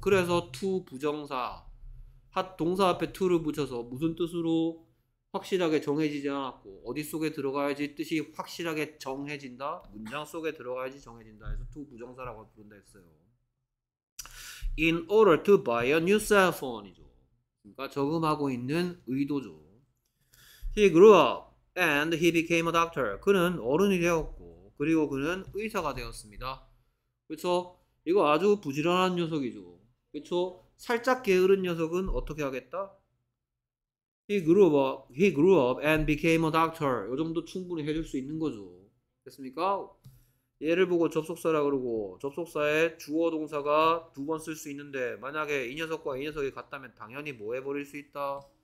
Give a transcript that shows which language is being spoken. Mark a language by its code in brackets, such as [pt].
[ko] 그래서 to 부정사 핫 동사 앞에 to를 붙여서 무슨 뜻으로 확실하게 정해지지 않았고 어디 속에 들어가야지 뜻이 확실하게 정해진다? 문장 속에 들어가야지 정해진다 해서 to 부정사라고 부른다 했어요. [en] In order to buy a new cell phone이죠. [ko] 그러니까 저금하고 있는 의도죠. [en] He grew up and he became a doctor. [ko] 그는 어른이 되었고 그리고 그는 의사가 되었습니다. 그렇죠? 이거 아주 부지런한 녀석이죠. 그렇죠? 살짝 게으른 녀석은 어떻게 하겠다? [en] He grew up and became a doctor. [ko] 이 정도 충분히 해줄 수 있는 거죠. 됐습니까? 얘를 보고 접속사라 그러고 접속사에 주어 동사가 두 번 쓸 수 있는데 만약에 이 녀석과 이 녀석이 같다면 당연히 뭐 해버릴 수 있다?